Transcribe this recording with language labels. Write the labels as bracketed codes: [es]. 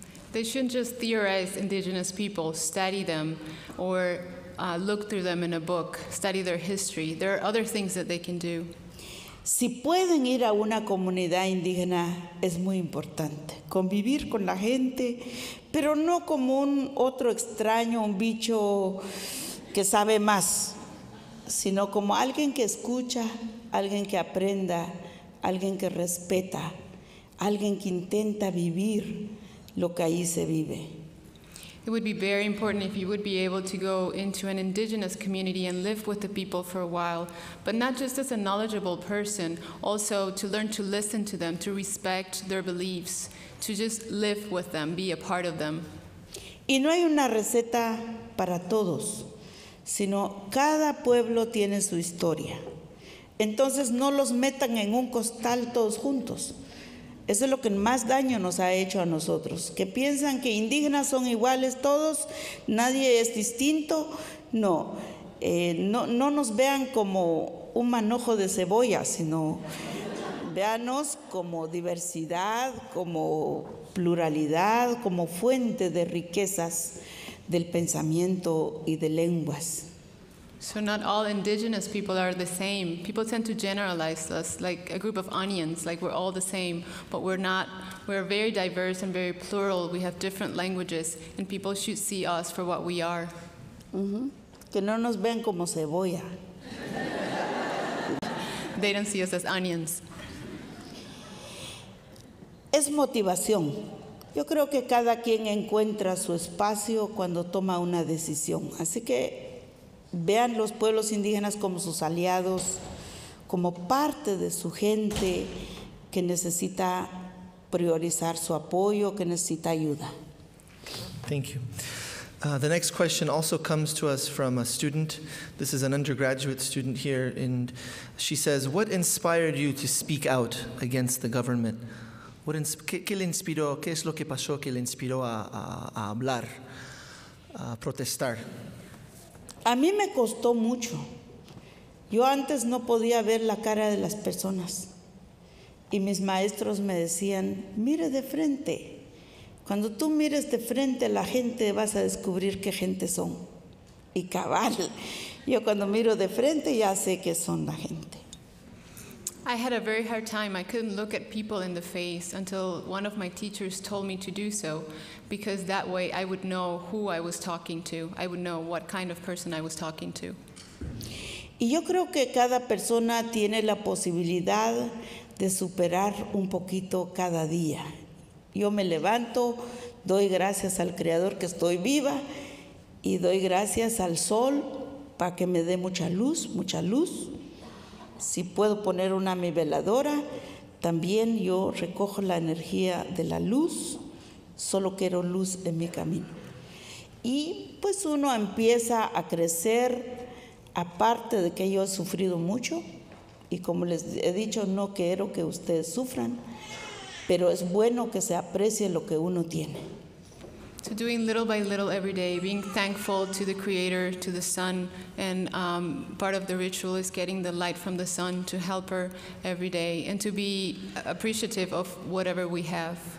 [en] They shouldn't just theorize indigenous people, study them, or look through them in a book, study their history. There are other things that they can do. [es] Si pueden ir a una comunidad indígena, es muy importante. Convivir con la gente, pero no como un otro extraño, un bicho que sabe más, sino como alguien que escucha, alguien que aprenda, alguien que respeta, alguien que intenta vivir lo que ahí se vive. It would be very important if you would be able to go into an indigenous community and live with the people for a while, but not just as a knowledgeable person, also to learn to listen to them, to respect their beliefs, to just live with them, be a part of them. Y no hay una receta para todos, sino cada pueblo tiene su historia. Entonces no los metan en un costal todos juntos. Eso es lo que más daño nos ha hecho a nosotros. Que piensan que indígenas son iguales todos, nadie es distinto. No, no nos vean como un manojo de cebolla, sino véanos como diversidad, como pluralidad, como fuente de riquezas del pensamiento y de lenguas. [en] So not all indigenous people are the same. People tend to generalize us like a group of onions, like we're all the same, but we're not. We're very diverse and very plural. We have different languages, and people should see us for what we are. [es] Mm-hmm. Que no nos vean como cebolla. [en] They don't see us as onions. [es] Es motivación. Yo creo que cada quien encuentra su espacio cuando toma una decisión. Así que vean los pueblos indígenas como sus aliados, como parte de su gente que necesita priorizar su apoyo, que necesita ayuda. [en] Thank you. The next question also comes to us from a student. This is an undergraduate student here, and she says, what inspired you to speak out against the government? [es] ¿Qué le inspiró? ¿Qué es lo que pasó que le inspiró a hablar, a protestar? A mí me costó mucho. Yo antes no podía ver la cara de las personas. Y mis maestros me decían, mire de frente. Cuando tú mires de frente a la gente, vas a descubrir qué gente son. Y cabal. Yo cuando miro de frente, ya sé qué son la gente. [en] I had a very hard time. I couldn't look at people in the face until one of my teachers told me to do so, because that way I would know who I was talking to. I would know what kind of person I was talking to. [es] Y yo creo que cada persona tiene la posibilidad de superar un poquito cada día. Yo me levanto, doy gracias al Creador que estoy viva, y doy gracias al sol para que me dé mucha luz, mucha luz. Si puedo poner una mi veladora, también yo recojo la energía de la luz. Solo quiero luz en mi camino. Y pues uno empieza a crecer, aparte de que yo he sufrido mucho, y como les he dicho, no quiero que ustedes sufran, pero es bueno que se aprecie lo que uno tiene. [en] So doing little by little every day, being thankful to the Creator, to the sun, and part of the ritual is getting the light from the sun to help her every day, and to be appreciative of whatever we have.